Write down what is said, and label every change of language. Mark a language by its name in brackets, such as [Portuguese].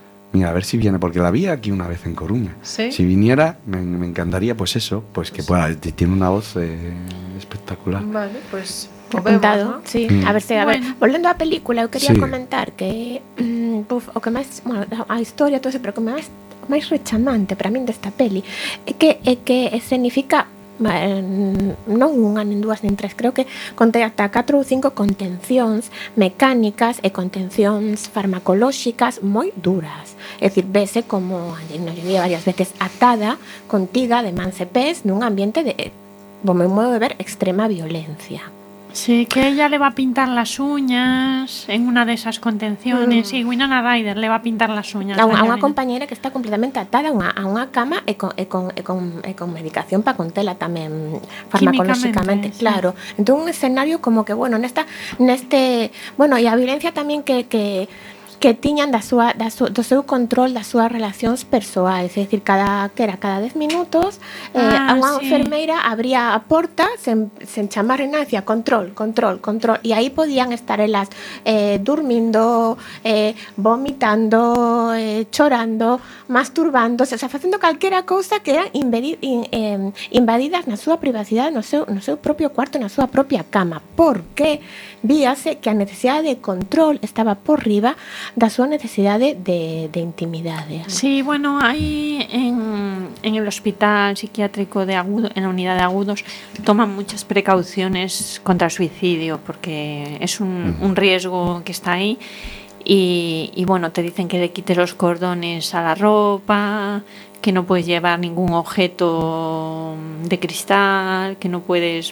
[Spanish] Mira, a ver si viene, porque la vi aquí una vez en Coruña. ¿Sí? Si viniera, me encantaría, pues eso, pues que sí, pueda, tiene una voz espectacular. Vale, pues... Apuntado, vemos, ¿no? Sí, a ver si, a ver. Bueno, volviendo a película, yo quería, sí, comentar que... o que más... Bueno, a historia, todo eso, pero que más... [Galician] máis rechamante para min desta peli é que escenifica non unha, nin dúas, nin tres, creo que conté ata 4 ou 5 contencións mecánicas e contencións farmacolóxicas moi duras, é dicir, vese como Angelina Jolie varias veces atada contiga de mans e pés nun ambiente de, como me modo de ver, extrema violencia. [Spanish] Sí, que ella le va a pintar las uñas en una de esas contenciones. Y sí, Winona Ryder le va a pintar las uñas. A una compañera que está completamente atada a una cama y con medicación para contela también farmacológicamente, claro. Sí. Entonces un escenario como que, bueno, en este, bueno, [Galician] y a violencia también que tiñan do seu control das súas relacións persoais, é dicir, cada 10 minutos unha, [Spanish] sí, [Galician] enfermeira abría a porta sen chamar en hacia control, e aí podían estar elas durmindo, vomitando, chorando, masturbándose, o sea, facendo calquera cousa que eran invadidas na súa privacidade, no seu propio cuarto, na súa propia cama, porque víase que a necesidade de control estaba por riba da súa necesidade de intimidade. [Spanish] Sí, bueno, aí en el hospital psiquiátrico de agudo, en la unidad de agudos, toman muchas precauciones contra el suicidio, porque es un riesgo que está ahí, y bueno, te dicen que le quites los cordones a la ropa, que no puedes llevar ningún objeto de cristal, que no puedes...